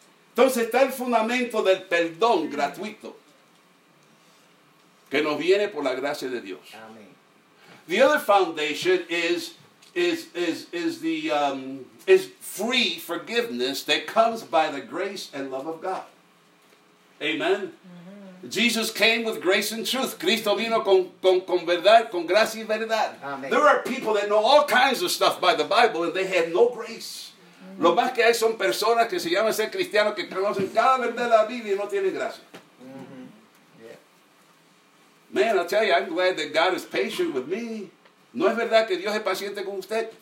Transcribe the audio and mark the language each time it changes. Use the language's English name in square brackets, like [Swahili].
[Spanish] Entonces está el fundamento del perdón gratuito que nos viene por la gracia de Dios. Amén. [English] The other foundation is free forgiveness that comes by the grace and love of God. Amen. Mm-hmm. Jesus came with grace and truth. [Spanish] Cristo vino con verdad, con gracia y verdad. Amén. [English] There are people that know all kinds of stuff by the Bible and they have no grace. Mm-hmm. [Spanish] Lo más que hay son personas que se llaman ser cristianos que conocen cada verdad de la Biblia y no tienen gracia. Mm-hmm. Yeah. [English] Man, I'll tell you, I'm glad that God is patient with me. [Spanish] ¿No es verdad que Dios es paciente con usted?